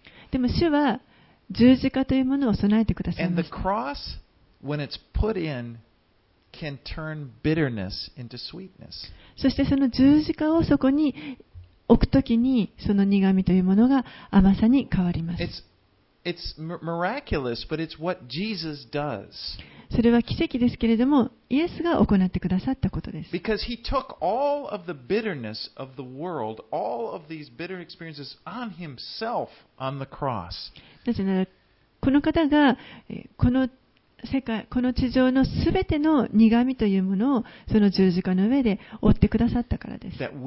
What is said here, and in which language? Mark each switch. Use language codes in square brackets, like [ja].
[ja] でも主は十字架というものを備えてくださいました。 [en] And the cross, when it's put in, can turn bitterness into sweetness. [ja] そしてその十字架をそこに置くときに、その苦味というものが甘さに変わります。 [en] It's miraculous, but it's what Jesus does. [ja] それは奇跡ですけれども、イエスが行ってくださったことです。 [en] Because he took all of the bitterness of the world, all of these bitter experiences on himself on the cross. [ja] なぜなら、この方がこの世界、この地上のすべての苦味というものをその十字架の上で負ってくださったからです。